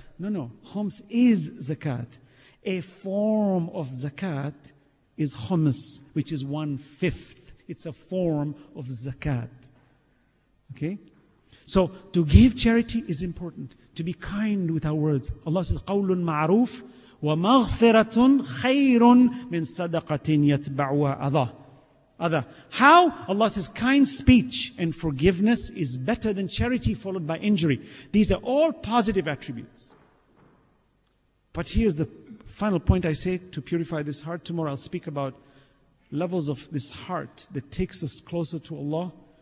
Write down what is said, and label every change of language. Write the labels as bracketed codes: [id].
[en] No, no, khums is zakat. A form of zakat is khums, which is 1/5. It's a form of zakat. Okay? So to give charity is important. To be kind with our words. Allah says, [ar] قَوْلٌ مَعْرُوفٌ وَمَغْفِرَةٌ خَيْرٌ مِنْ صَدَقَةٍ يَتْبَعُوَ أَذَى. [en] How? Allah says, kind speech and forgiveness is better than charity followed by injury. These are all positive attributes. But here's the final point I say to purify this heart. Tomorrow I'll speak about levels of this heart that takes us closer to Allah.